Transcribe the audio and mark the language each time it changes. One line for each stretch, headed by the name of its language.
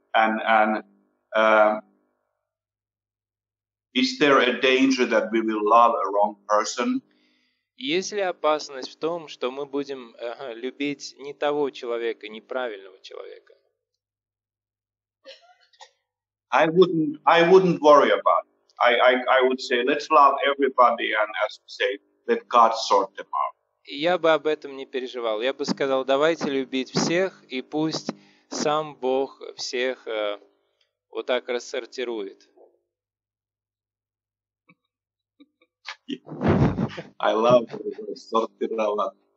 English: Is there a danger that we will love a wrong person?
Russian: Есть ли опасность в том, что мы будем любить не того человека, неправильного человека?
English: I wouldn't worry about it. I would say, let's love everybody and, as we say, let God sort them out.
Russian: Я бы об этом не переживал. Я бы сказал, давайте любить всех, и пусть сам Бог всех вот так рассортирует.
English: I love
Russian: сортировать.